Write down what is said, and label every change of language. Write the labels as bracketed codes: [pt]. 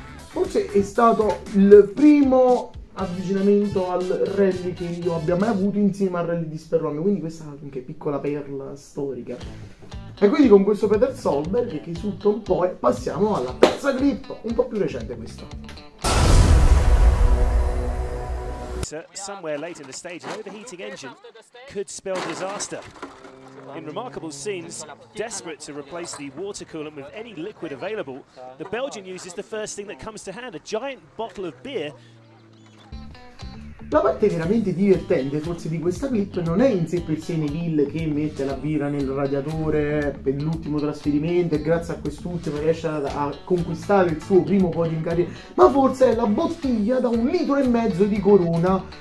[it] Forse è stato il primo avvicinamento al rally che io abbia mai avuto insieme al rally di Sperlonga, quindi questa è anche piccola perla storica. appunto. E quindi con questo Peter Solberg che risulta un po', e passiamo alla terza clip, un po' più recente questa. [en] Somewhere late in the stage, an overheating engine could spell disaster. In remarkable scenes, desperate to replace the water coolant with any liquid available, the Belgian uses the first thing that comes to hand, a giant bottle of beer. [it] La parte veramente divertente forse di questa clip non è in sé per sé Neville che mette la birra nel radiatore per l'ultimo trasferimento e grazie a quest'ultimo riesce a conquistare il suo primo podio in carriera, ma forse è la bottiglia da un litro e mezzo di Corona.